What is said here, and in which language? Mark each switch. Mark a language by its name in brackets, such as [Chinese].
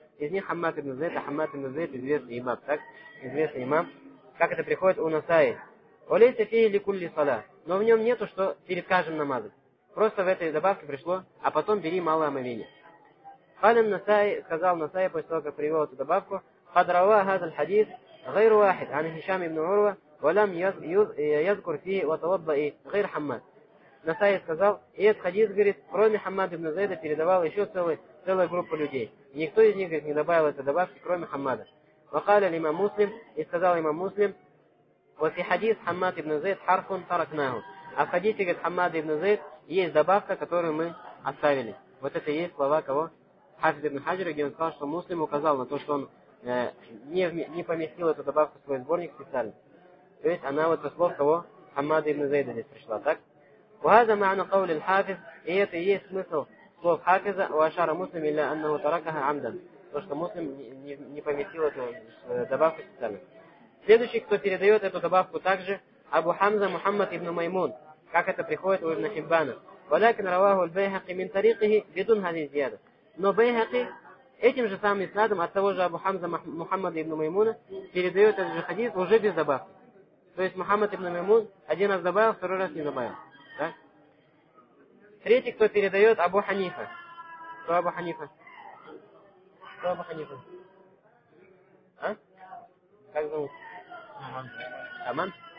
[Russian] Из них Хаммад ибн Зайд, а Хаммад ибн Зайд известный имам, так? Известный имам. Как это приходит у Насаи? [Arabic] Олейса фи ликулли сала. [Russian] Но в нем нету, что перед каждым намазом. Просто в этой добавке пришло, а потом бери малое омовение. Халин Насаи, сказал Насаи, после того, как привел эту добавку, [Arabic] Хадрава хазаль хадис, غير واحد عن هشام بن عروة ولم يذكر فيه وتوضأ غير حماد. [Russian] Насай сказал, и этот хадис говорит, кроме Хаммада ибн Зайда передавал еще целая группа людей. И никто из них, говорит, не добавил этой добавки, кроме Хаммада. [Arabic] Вакаля лима муслим, [Russian] и сказал имам муслим, вот и хадис Хаммад ибн Зайд [Arabic] харфун таракнаху. [Russian] А в хадисе, говорит, Хаммад ибн Зайд есть добавка, которую мы оставили. Вот это и есть слова кого? Хафиз ибн Хаджира, где он сказал, что муслим указал на то, что он не поместил эту добавку в свой сборник специально. То есть она вот со слов кого? Хаммада ибн Зайда здесь пришла, так? [Arabic] وهذا معنى قول الحافظ هي تيس مثل [Russian] слов хафиза [Arabic] واشار مسلم الى انه تركها عمدا [Russian] то что муслим не поместил эту добавку специально. Следующий, кто передает эту добавку также, Абу Хамза Мухаммад ибн Маймун, как это приходит у Ибн Хиббана. [Arabic] ولكن رواه البيهقي من طريقه بدون هذه الزياده. [Russian] Но Байхаки этим же самым иснадом от того же Абу Хамза Мухаммада ибн Маймуна передает этот же хадис уже без добавки. То есть Мухаммад ибн Маймун один раз добавил, второй раз не добавил. Да? Третий, кто передает, Абу Ханифа. Кто Абу Ханифа? Кто Абу Ханифа? А? Как зовут? Аман?